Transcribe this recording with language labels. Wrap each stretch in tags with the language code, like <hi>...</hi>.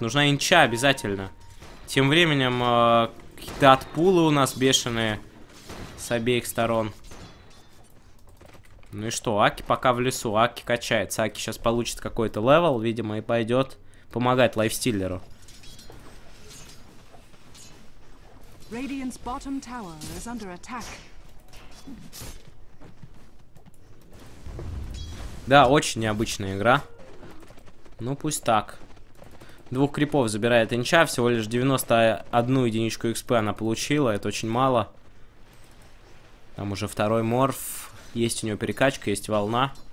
<ru>Нужна инча обязательно. Тем временем, какие-то отпулы у нас бешеные с обеих сторон. Ну и что, Аки пока в лесу. Аки качается. Аки сейчас получит какой-то левел, видимо, и пойдет помогать лайфстиллеру.</ru> <en>Radiant's bottom tower is under attack.</en> <ru>Да, очень необычная игра. Ну, пусть так. Двух крипов забирает инча. Всего лишь 91 единичку XP она получила. Это очень мало. Там уже второй морф. Есть у него перекачка, есть волна.</ru>